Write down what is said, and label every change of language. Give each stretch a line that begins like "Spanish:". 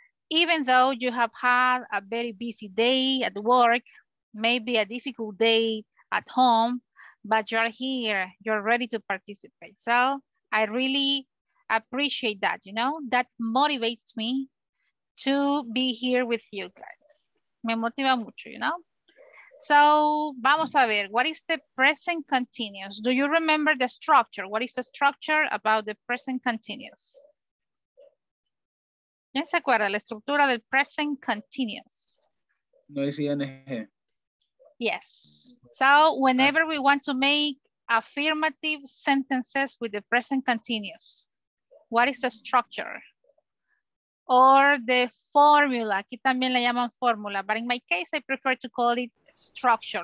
English: Even though you have had a very busy day at work, maybe a difficult day at home, but you're here, you're ready to participate, so I really appreciate that, you know, that motivates me to be here with you guys. Me motiva mucho, you know. So, vamos a ver, what is the present continuous? Do you remember the structure? What is the structure about the present continuous?
Spanish: ¿Quién se acuerda la estructura del present continuous? No es ING.
English: Yes. So, whenever we want to make affirmative sentences with the present continuous, what is the structure?
Spanish: Or the formula. Aquí también le llaman formula.
English: But in my case, I prefer to call it structure.